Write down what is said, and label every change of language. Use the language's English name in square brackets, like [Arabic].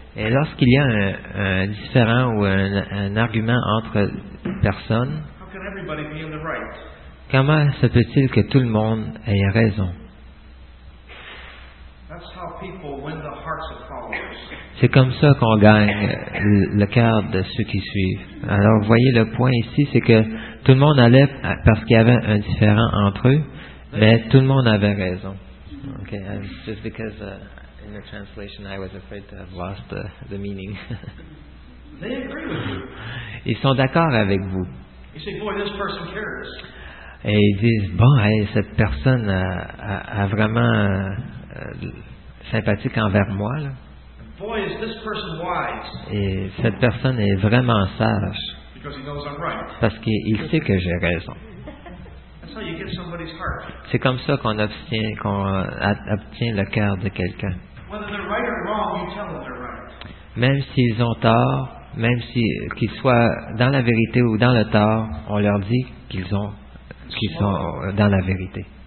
[French] et lorsqu'il y a un différend ou un argument entre personnes, [English] how can everybody be in the right? [French] Comment se peut-il que tout le monde ait raison? [English] That's how people win the hearts of followers. [French] C'est comme ça qu'on gagne le cœur de ceux qui suivent. Alors, voyez le point ici, c'est que tout le monde allait parce qu'il y avait un différend entre eux, mais tout le monde avait raison. [English] Ok, just because in the translation I was afraid to have lost the meaning. They agree with you. [French] Ils sont d'accord avec vous. [English] You say, boy, this person cares. [French] Et ils disent, bon, hey, cette personne a vraiment sympathique envers moi, là. [English] Boy, is this person wise. [French] Et cette personne est vraiment sage. [English] Because he knows I'm right. [French] Parce qu'il sait que j'ai raison. [English] That's how you get somebody's heart. [French] C'est comme ça qu'on obtient le cœur de quelqu'un. [English] Whether they're right or wrong, you tell them they're right. [French] Même s'ils ont tort, même si qu'ils soient dans la vérité ou dans le tort, on leur dit qu'ils sont dans la vérité.